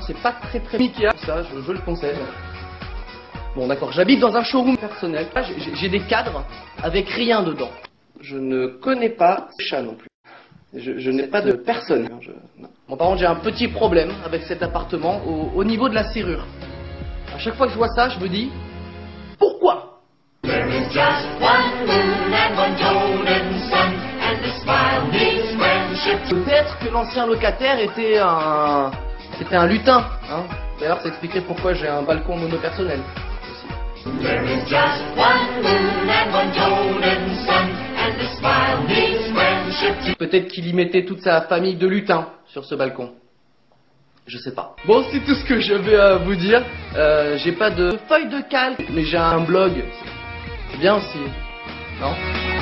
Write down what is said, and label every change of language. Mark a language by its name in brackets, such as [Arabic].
[French] C'est pas très très Ikea. Ça, je le conseille. Bon d'accord, j'habite dans un showroom personnel. J'ai des cadres avec rien dedans. Je ne connais pas ce chat non plus. Je n'ai pas de personne. Bon, par contre, j'ai un petit problème avec cet appartement au niveau de la serrure. À chaque fois que je vois ça, je me dis pourquoi ? [English] There is just one moon and one golden sun, and the smile means friendship. [French] Peut-être que l'ancien locataire était un lutin, hein. D'ailleurs, ça expliquait pourquoi j'ai un balcon monopersonnel. [English] There is just one moon and one golden sun, and the smile means friendship too. [French] Peut-être qu'il y mettait toute sa famille de lutins sur ce balcon. Je sais pas. Bon, c'est tout ce que j'avais à vous dire. J'ai pas de feuille de calque, mais j'ai un blog. C'est bien aussi. Non ?